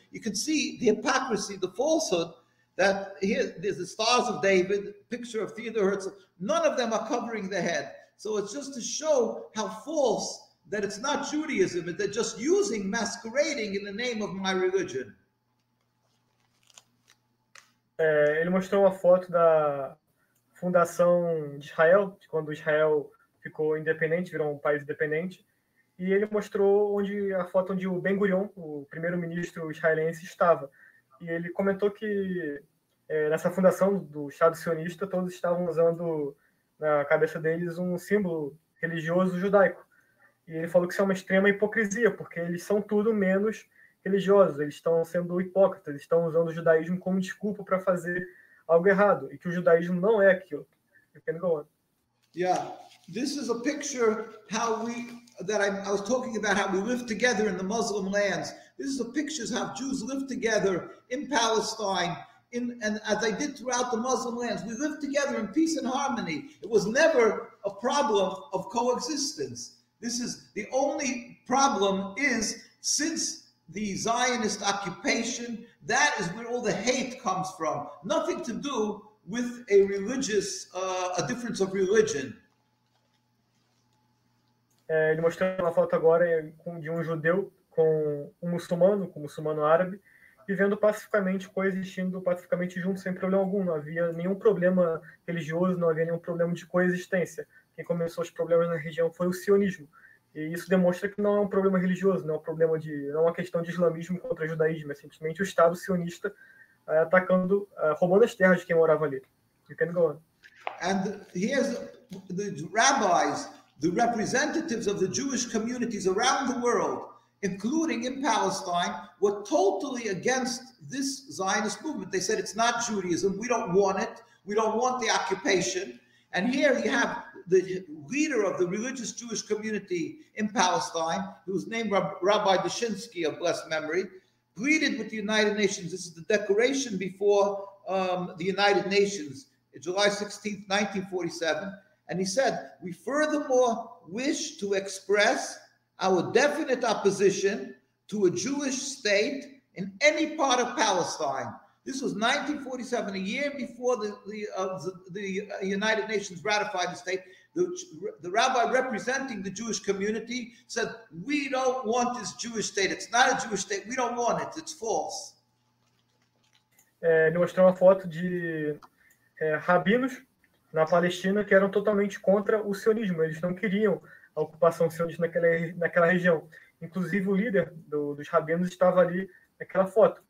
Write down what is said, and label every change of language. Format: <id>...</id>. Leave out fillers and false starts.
<en>You can see the hypocrisy, the falsehood, that here there's the Stars of David, picture of Theodore Herzl. None of them are covering the head. So it's just to show how false, that it's not Judaism, that they're just using, masquerading in the name of my religion.</en> <pt>Ele mostrou uma foto da fundação de Israel, quando Israel ficou independente, virou um país independente, e ele mostrou onde a foto onde o Ben-Gurion, o primeiro-ministro israelense, estava. E ele comentou que nessa fundação do Estado Sionista, todos estavam usando na cabeça deles um símbolo religioso judaico. E ele falou que isso é uma extrema hipocrisia, porque eles são tudo menos religiosos, eles estão sendo hipócritas, estão usando o judaísmo como desculpa para fazer algo errado, e que o judaísmo não é aquilo.</pt> <en>You can go on. Yeah, this is a picture how we, that I was talking about how we live together in the Muslim lands. This is a picture of how Jews live together in Palestine, in, and as I did throughout the Muslim lands, we live together in peace and harmony. It was never a problem of coexistence. This is the only problem is since the Zionist occupation, that is where all the hate comes from. Nothing to do with a religious, a difference of religion.</en> <pt>Ele mostrou uma foto agora de um judeu com um muçulmano árabe, vivendo pacificamente, coexistindo pacificamente juntos, sem problema algum. Não havia nenhum problema religioso, não havia nenhum problema de coexistência. Quem começou os problemas na região foi o sionismo. E isso demonstra que não é um problema religioso, não é um problema de, não é uma questão de islamismo contra judaísmo, é simplesmente o Estado sionista atacando, roubando as terras de quem morava ali.</pt> <en>You can go on. And here's the rabbis, the representatives of the Jewish communities around the world, including in Palestine, were totally against this Zionist movement. They said it's not Judaism, we don't want it, we don't want the occupation. And here you have the leader of the religious Jewish community in Palestine, whose name Rabbi Dushinsky of blessed memory, pleaded with the United Nations. This is the declaration before the United Nations, July 16th, 1947. And he said, we furthermore wish to express our definite opposition to a Jewish state in any part of Palestine. This was 1947, a year before the United Nations ratified the state. The rabbi representing the Jewish community said, we don't want this Jewish state. It's not a Jewish state. We don't want it. It's false.</en> <pt>Ele mostrou uma foto de rabinos na Palestina que eram totalmente contra o sionismo. Eles não queriam a ocupação sionista naquela região. Inclusive, o líder dos rabinos estava ali naquela foto.</pt>